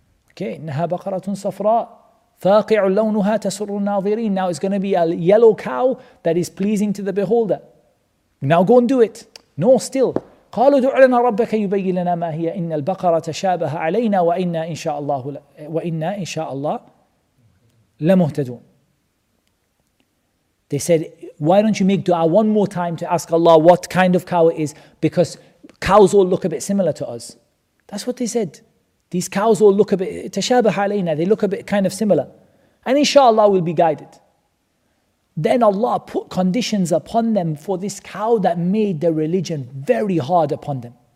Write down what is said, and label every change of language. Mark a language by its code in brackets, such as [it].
[en] Okay, [ar] إِنَّهَا بَقَرَةٌ صَفْرَاءٌ فاقع لونها تسر الناظرين. [en] Now it's going to be a yellow cow that is pleasing to the beholder. Now go and do it. No, still. [ar] قالوا دع لنا ربك يبين لنا ما هي إن البقرة تشابه علينا وإنا إن شاء الله وإنا إن شاء الله لمهتدون. [en] They said, why don't you make dua one more time to ask Allah what kind of cow it is, because cows all look a bit similar to us. That's what they said. These cows all look a bit [ar] تشابه علينا. [en] They look a bit kind of similar. And inshallah we'll be guided. Then Allah put conditions upon them for this cow that made the religion very hard upon them.